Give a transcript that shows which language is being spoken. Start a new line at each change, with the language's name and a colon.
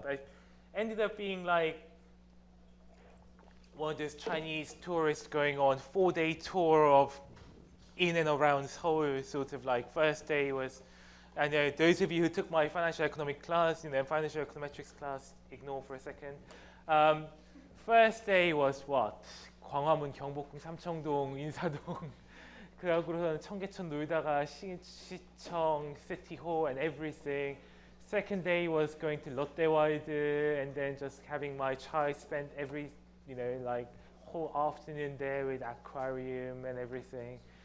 English: But I ended up being like one of those Chinese tourists going on 4-day tour of in and around Seoul, sort of like first day was, I know those of you who took my financial economic class, you know, financial econometrics class, ignore for a second. First day was what?
Korean: 광화문, 경복궁, 삼청동, 인사동. 그러고서는 청계천 놀다가 시청,
English: City Hall and everything. Second day was going to Lotte월드 and then just having my child spend every, you know, like whole afternoon there with aquarium and everything.